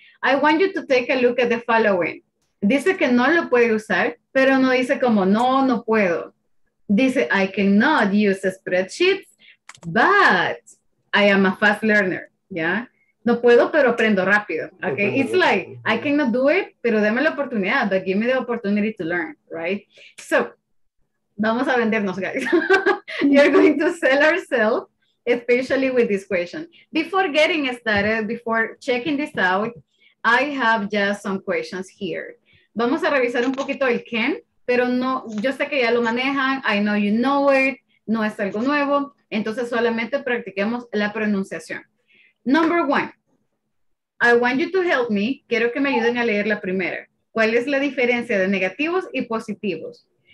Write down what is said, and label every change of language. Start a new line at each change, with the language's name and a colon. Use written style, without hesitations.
English: I want you to take a look at the following.
Spanish: Dice que no lo puede usar, pero no dice como, no puedo.
English: Dice, I cannot use a spreadsheet, but I am a fast learner, yeah?
Spanish: No puedo, pero aprendo rápido, okay?
English: It's like, I cannot do it,
Spanish: pero deme la oportunidad,
English: but give me the opportunity to learn, right? So,
Spanish: vamos a vendernos,
English: guys. You're going to sell ourselves, especially with this question. Before getting started, before checking this out, I have just some questions here.
Spanish: Vamos a revisar un poquito el can, pero no, yo sé que ya lo manejan,
English: I know you know it,
Spanish: no es algo nuevo, entonces solamente practiquemos la pronunciación.
English: Number one, I want you to help me.
Spanish: Quiero que me ayuden a leer la primera. ¿Cuál es la diferencia de negativos y positivos?